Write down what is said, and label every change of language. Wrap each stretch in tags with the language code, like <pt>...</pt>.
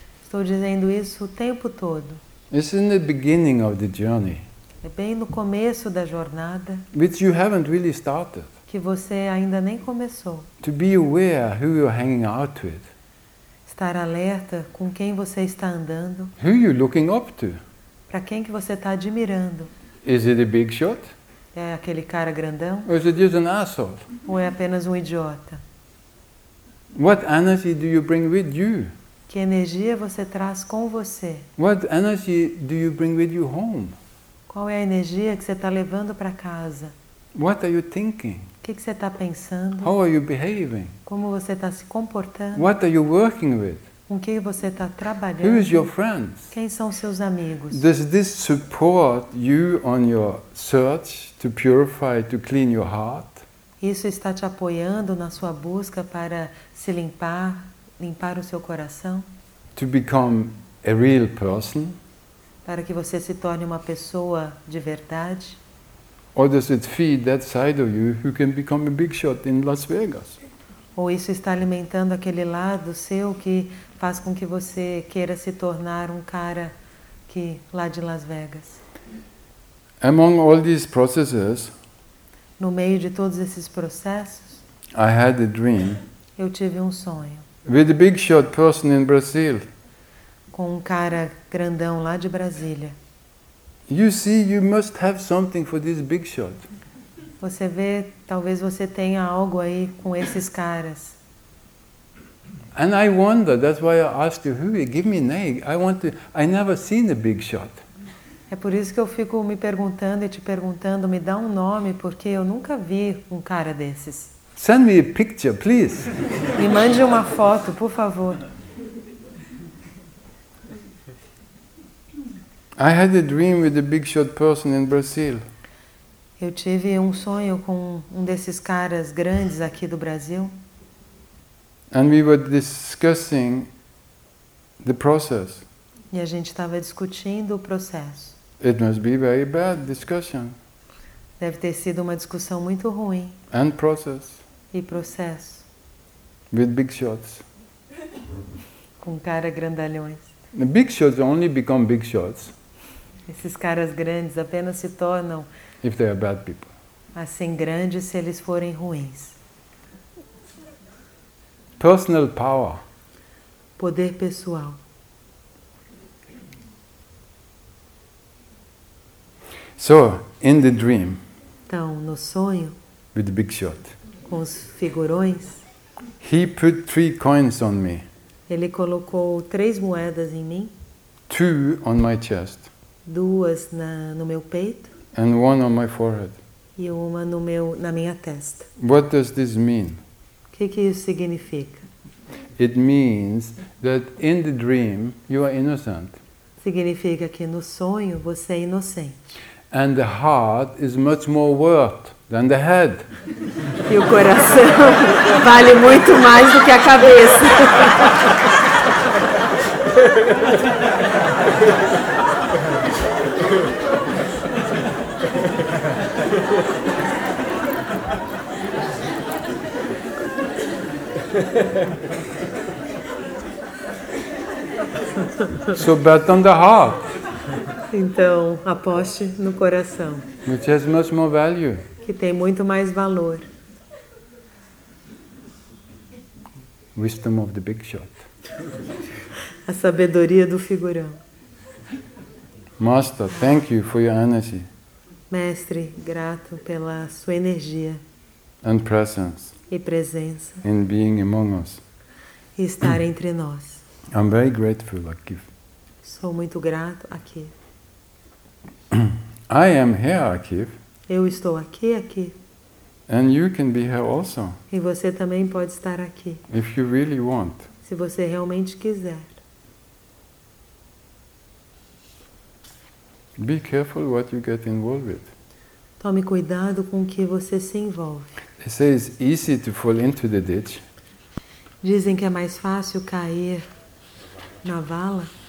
<pt>Estou dizendo isso o tempo todo.</pt> <en>It's in the beginning of the journey.</en> <pt>É bem no começo da jornada.</pt> <en>Which you haven't really started.</en> <pt>Que você ainda nem começou.</pt> <en>To be aware who you're hanging out with.</en> <pt>Estar alerta com quem você está andando.</pt> <en>Who you're looking up to.</en> <pt>Para quem que você está admirando.</pt> <en>Is it a big shot?</en> <pt>É aquele cara grandão?</pt> <en>Or is it just an asshole?</en> <pt>Ou é apenas um idiota?</pt> <en>What energy do you bring with you?</en> <pt>Que energia você traz com você?</pt> <en>What energy do you bring with you home?</en> <pt>Qual é a energia que você está levando para casa?</pt> <en>What are you thinking?</en> <pt>O que você está pensando?</pt> <en>How are you behaving?</en> <pt>Como você está se comportando?</pt> <en>What are you working with?</en> <pt>Com quem você está trabalhando?</pt> <en>Who is your friend?</en> <pt>Quem são seus amigos?</pt> <en>Does this support you on your search to purify, to clean your heart?</en> <pt>Isso está te apoiando na sua busca para se limpar, limpar o seu coração?</pt> <en>To become a real person?</en> <pt>Para que você se torne uma pessoa de verdade?</pt> <en>Or does it feed that side of you who can become a big shot in Las Vegas?</en> <pt>Ou isso está alimentando aquele lado seu que faz com que você queira se tornar um cara que lá de Las Vegas?</pt> <en>Among all these processes,</en> <pt>no meio de todos esses processos,</pt> <en>I had a dream.</en> <pt>Eu tive um sonho.</pt> <en>With a big shot person in Brazil.</en> <pt>Com um cara grandão lá de Brasília.</pt> <en>You see, you must have something for this big shot.</en> <pt>Você vê, talvez você tenha algo aí com esses caras.</pt> <en>And I wonder, that's why I asked you, who is, give me a name. I never seen a big shot.</en> <pt>É por isso que eu fico me perguntando e te perguntando, me dá um nome, porque eu nunca vi um cara desses.</pt> <en>Send me a picture, please.</en> <pt>Me mande uma foto, por favor.</pt> <en>I had a dream with a big shot person in Brazil.</en> <pt>Eu tive um sonho com um desses caras grandes aqui do Brasil.</pt> <en>And we were discussing the process.</en> <pt>E a gente estava discutindo o processo.</pt> <en>It must be a very bad discussion.</en> <pt>Deve ter sido uma discussão muito ruim.</pt> <en>And process.</en> <pt>E processo.</pt> <en>With big shots.</en> <pt>Com cara grandalhões.</pt> <en>The big shots only become big shots.</en> <pt>Esses caras grandes apenas se tornam</pt> <en>if they are bad people.</en> <pt>Assim grandes se eles forem ruins.</pt> <en>Personal power.</en> <pt>Poder pessoal.</pt> <en>So, in the dream.</en> <pt>Então, no sonho.</pt> <en>With the big shot.</en> <pt>Com os figurões.</pt> <en>He put 3 coins on me.</en> <pt>Ele colocou 3 moedas em mim.</pt> <en>2 on my chest.</en> <pt>2 no meu peito.</pt> <en>and one on my forehead.</en> <pt>E uma no meu, na minha testa.</pt> <en>What does this mean?</en> <pt>Que isso significa?</pt> <en>It means that in the dream you are innocent.</en> <pt>Significa que no sonho você é inocente.</pt> <en>And the heart is much more worth than the head.</en> <pt>E o coração vale muito mais do que a cabeça.</pt> <en>So bet on the heart.</en> <pt>Então, aposte no coração.</pt> <en>Which has much more value.</en> <pt>Que tem muito mais valor.</pt> <en>Wisdom of the big shot.</en> <pt>A sabedoria do figurão.</pt> <en>Master, thank you for your energy.</en> <pt>Mestre, grato pela sua energia.</pt> <en>And presence.</en> <pt>E presença.</pt> <en>In being among us.</en> <pt>E estar entre nós.</pt> <en>I'm very grateful</en> <pt>aqui. Sou muito grato aqui.</pt> <en>I am here, Akif.</en> <pt>Eu estou aqui, Akif.</pt> <en>And you can be here also.</en> <pt>E você também pode estar aqui.</pt> <en>If you really want.</en> <pt>Se você realmente quiser.</pt> <en>Be careful what you get involved with.</en> <pt>Tome cuidado com o que você se envolve.</pt> <en>It says easy to fall into the ditch.</en> <pt>Dizem que é mais fácil cair na vala.</pt>